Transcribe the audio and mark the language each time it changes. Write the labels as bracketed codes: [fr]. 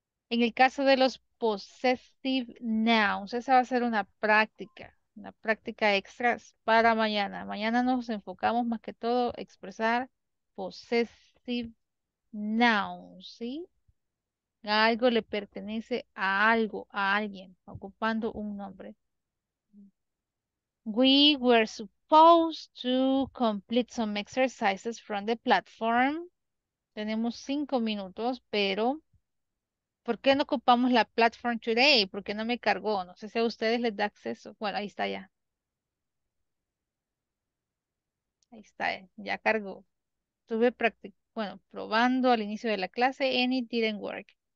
[es] En el caso de los possessive nouns, esa va a ser una práctica extra para mañana. Mañana nos enfocamos más que todo a expresar possessive nouns, ¿sí? Algo le pertenece a algo, a alguien, ocupando un nombre. [en] We were supposed to complete some exercises from the platform. [es] Tenemos 5 minutos, pero ¿por qué no ocupamos la platform today? ¿Por qué no me cargó? No sé si a ustedes les da acceso. Bueno, ahí está ya. Ahí está, ya cargó. Estuve probando al inicio de la clase [en] and it didn't work.